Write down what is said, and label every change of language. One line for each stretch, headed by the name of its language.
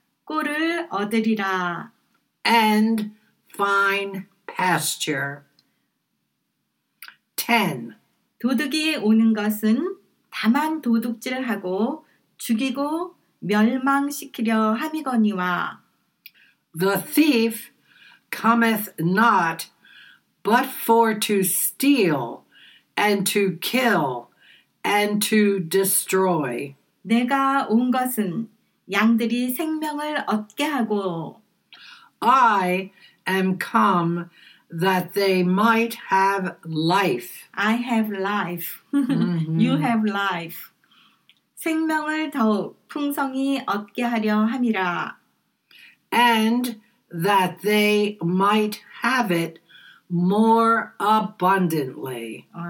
Korean: 꼴을 얻으리라.
English: And fine pasture. 10.
Korean: 도둑이 오는 것은 다만 도둑질하고 죽이고 멸망시키려 함이거니와
English: The thief cometh not but for to steal and to kill and to destroy.
Korean: 내가 온 것은 양들이 생명을 얻게 하고
English: I am come that they might have life. I have life. Mm-hmm. You have life.
Korean: 생명을 더욱 풍성히 얻게 하려 함이라.
English: And that they might have it more abundantly.